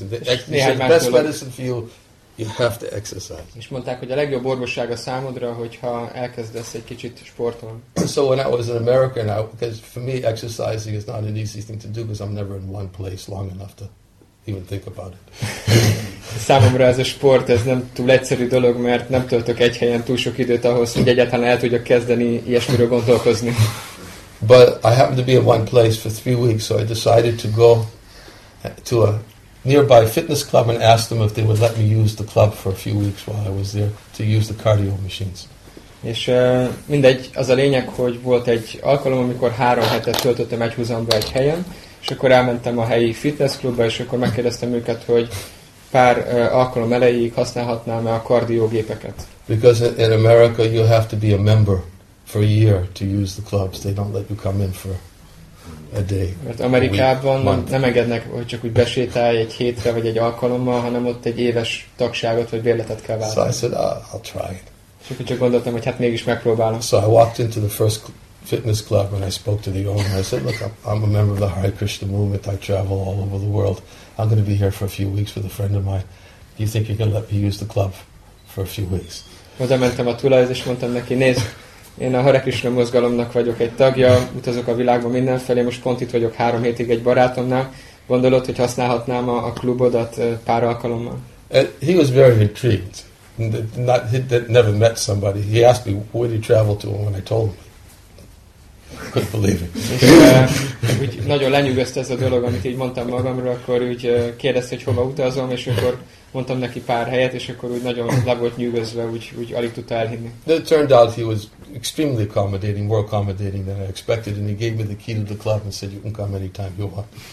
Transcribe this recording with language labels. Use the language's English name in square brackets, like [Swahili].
[English] And the best medicine for you have to exercise. [Hungarian] És mondták, hogy a legjobb orvosság a számodra, hogyha elkezdesz egy kicsit sportolni. [English] So when I was in America now, because for me exercising is not an easy thing to do because I'm never in one place long enough to even think about it. [Hungarian] Számomra ez a sport, ez nem túl egyszerű dolog, mert nem töltök egy helyen túl sok időt ahhoz, hogy egyáltalán el tudjak kezdeni ilyesmiről gondolkozni. [English] But I happened to be in one place for 3 weeks, so I decided to go to a nearby fitness club and ask them if they would let me use the club for a few weeks while I was there to use the cardio machines. [Hungarian] És mindegy, az a lényeg, hogy volt egy alkalom, amikor 3 hetet töltöttem egyhuzamba egy helyen, és akkor elmentem a helyi fitness klubba, és akkor megkérdeztem őket, hogy pár alkalom elejéig használhatnám-e a kardiógépeket. [English] Because in America you have to be a member for a year to use the clubs. They don't let you come in for a day. [Hungarian] Mert Amerikában nem engednek, hogy csak úgy besétálj egy hétre vagy egy alkalommal, hanem ott egy éves tagságot vagy bérletet kell váltani. [English] So I said, I'll try it. [Hungarian] És akkor csak gondoltam, hogy hát mégis megpróbálom. [English] So I walked into the first fitness club and I spoke to the owner. I said, look, I'm a member of the Hare Krishna movement. I travel all over the world. I'm going to be here for a few weeks with a friend of mine. Do you think you're going to let me use the club for a few weeks? [Hungarian] Oda mentem a tulajdonos, és mondtam neki, nézd, én a Hare Krishna mozgalomnak vagyok egy tagja, utazok a világban mindenfelé, most pont itt vagyok 3 hétig egy barátomnál. Gondolod, hogy használhatnám a klubodat pár alkalommal? [English] He was very intrigued. He never met somebody. He asked me, where did you travel to when I told him? Couldn't believe it. [Hungarian] Nagyon lenyűgözte ez a dolog, amit így mondtam magamról, akkor úgy kérdezte, hogy hova utazom, és akkor mondtam neki pár helyet, és akkor úgy nagyon le volt nyűgözve, úgy alig tudta elhinni. [English] It turned out he was extremely accommodating, more accommodating than I expected, and he gave me the key to the club and said, you can come anytime you want.